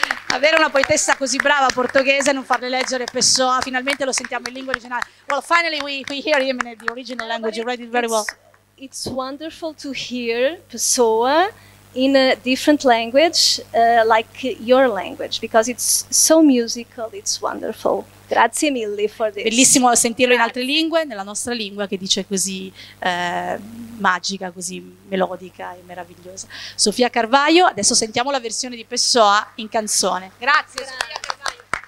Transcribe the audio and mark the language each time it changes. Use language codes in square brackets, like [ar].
[it] Avere una poetessa così brava portoghese e non farle leggere Pessoa, finalmente lo sentiamo in lingua originale. [en] Well, finally we hear him in the original language. You read it very well. It's wonderful to hear Pessoa in a different language, like your language, because it's so musical, it's wonderful. [it] Grazie mille [en] for this. [it] Bellissimo sentirlo in altre lingue, nella nostra lingua, che dice così magica, così melodica e meravigliosa. Sofia Carvaio, adesso sentiamo la versione di Pessoa in canzone. Grazie. Sofia Carvaio.